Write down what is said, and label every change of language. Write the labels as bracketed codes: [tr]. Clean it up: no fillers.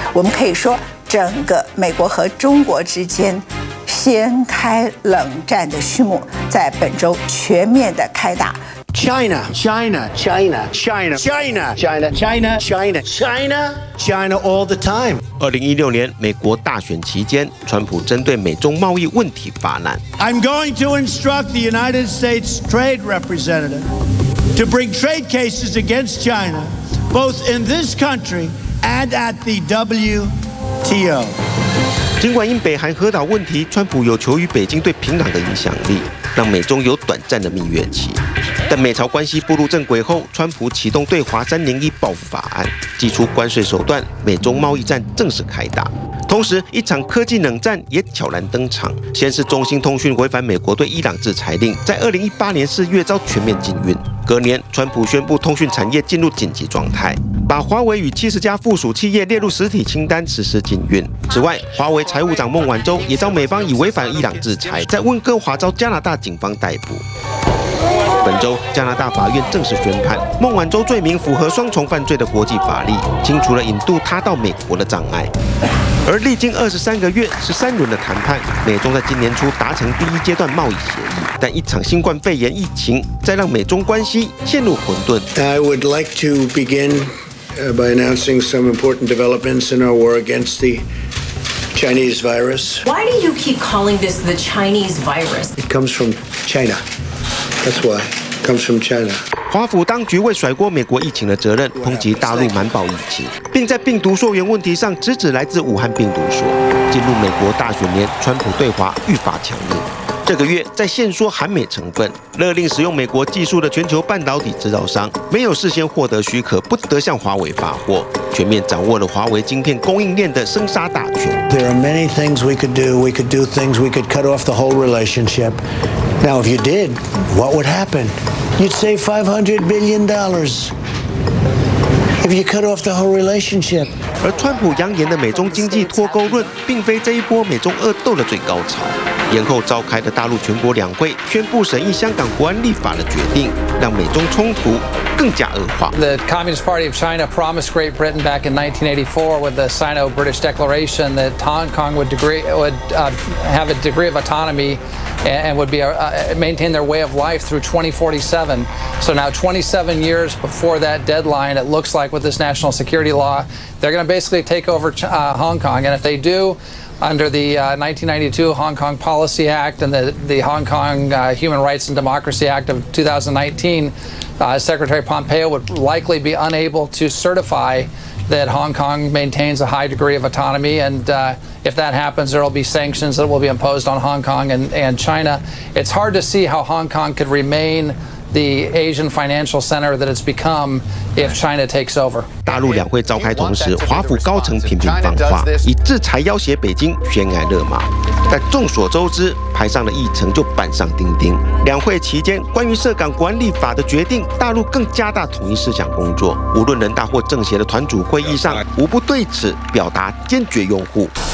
[zh] 我们可以说，整个美国和中国之间掀开冷战的序幕，在本周全面的开打。 [en] China all the time. [zh] 2016年美国大选期间，川普针对美中贸易问题发难。 [en] I'm going to instruct the United States Trade Representative to bring trade cases against China, both in this country and at the WTO. [zh] 尽管因北韩核岛问题，川普有求于北京对平壤的影响力，让美中有短暂的蜜月期。但美朝关系步入正轨后，川普启动对华301报复法案，祭出关税手段，美中贸易战正式开打。同时，一场科技冷战也悄然登场。先是中兴通讯违反美国对伊朗制裁令，在2018年4月遭全面禁运。隔年，川普宣布通讯产业进入紧急状态，把华为与70家附属企业列入实体清单，实施禁运。此外，华为财务长孟晚舟也遭美方以违反伊朗制裁，在温哥华遭加拿大警方逮捕。本周，加拿大法院正式宣判，孟晚舟罪名符合双重犯罪的国际法律，清除了引渡他到美国的障碍。而历经23个月、13轮的谈判，美中在今年初达成第一阶段贸易协议，但一场新冠肺炎疫情再让美中关系陷入混沌。 [en] I would like to begin by announcing some important developments in our war against the Chinese virus. Why do you keep calling this the Chinese virus? It comes from China. That's why it comes from China. [zh] 华府当局为甩锅美国疫情的责任，抨击大陆瞒报疫情，并在病毒溯源问题上直指来自武汉病毒所。进入美国大选年，川普对华愈发强硬。这个月在限缩韩美成分，勒令使用美国技术的全球半导体制造商没有事先获得许可，不得向华为发货，全面掌握了华为晶片供应链的生杀大权。 [en] There are many things we could do. We could do things. We could cut off the whole relationship. Now, if you did, what would happen? You'd save $500 billion if you cut off the whole relationship. [zh] 而川普扬言的美中经济脱钩论，并非这一波美中恶斗的最高潮。延后召开的大陆全国两会宣布审议香港国安立法的决定，让美中冲突更加恶化。 [en] The Communist Party of China promised Great Britain back in 1984 with the Sino-British Declaration that Hong Kong would have a degree of autonomy. And would be maintain their way of life through 2047. So now, 27 years before that deadline, it looks like with this national security law, they're going to basically take over Hong Kong. And if they do, under the 1992 Hong Kong Policy Act and the Hong Kong Human Rights and Democracy Act of 2019, Secretary Pompeo would likely be unable to certify that Hong Kong maintains a high degree of autonomy. And if that happens, there will be sanctions that will be imposed on Hong Kong and China. It's hard to see how Hong Kong could remain the Asian financial center that it's become if China takes over. [zh] 大陆两会召开同时，华府高层频频放话，以制裁要挟北京，悬崖勒马。但众所周知，排上的议程就板上钉钉。两会期间，关于涉港管理法的决定，大陆更加大统一思想工作。无论人大或政协的团组会议上，无不对此表达坚决拥护。